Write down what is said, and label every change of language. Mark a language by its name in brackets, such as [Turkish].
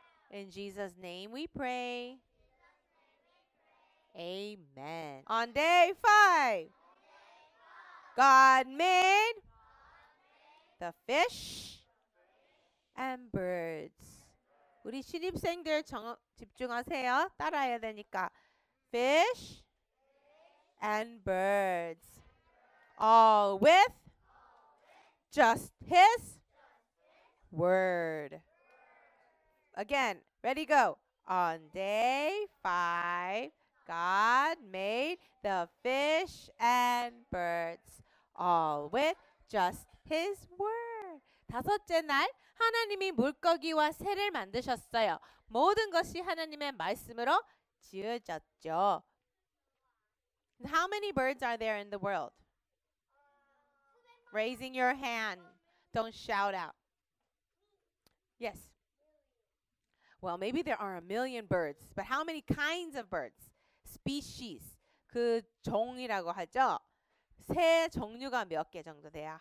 [English] In Jesus' name we pray. Amen. On day five, God made the fish and birds. [Korean] 우리 신입생들 집중하세요. 따라해야 되니까. [English] Fish and birds. All with just his word. Again, ready, go. On day five, God made the fish and birds, all with just his word. [Korean] 다섯째 날, 하나님이 물고기와 새를 만드셨어요. 모든 것이 하나님의 말씀으로 지어졌죠. [English] How many birds are there in the world? Raising your hand. Don't shout out. Yes. Well, maybe there are a million birds, but how many kinds of birds? [Korean] Species, 그 종이라고 하죠. 새 종류가 몇 개 정도 돼요?